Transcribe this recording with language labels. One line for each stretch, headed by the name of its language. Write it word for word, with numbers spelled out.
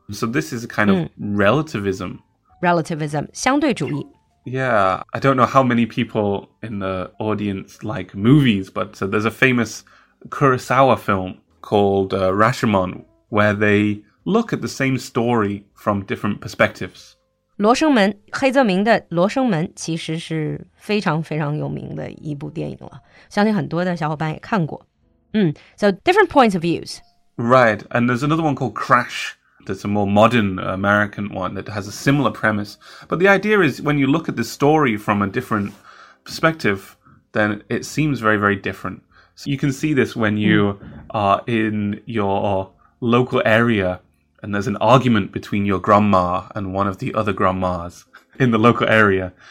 English: So this is a kind mm. of relativism.
Chinese: Relativism. 相对主义.
English: Yeah, I don't know how many people in the audience like movies, but so there's a famous Kurosawa film called uh, Rashomon, where they look at the same story from different perspectives.
Chinese: 罗生门, 黑泽明的《罗生门》 其实是非常非常有名的一部电影了, 相信很多的小伙伴也看过。
English: 嗯, so different points of views. Right, and there's another one called Crash. That's a more modern American one that has a similar premise. But the idea is when you look at the story from a different perspective, then it seems very, very different. So you can see this when you are in your local area and there's an argument between your grandma and one of the other grandmas in the local area.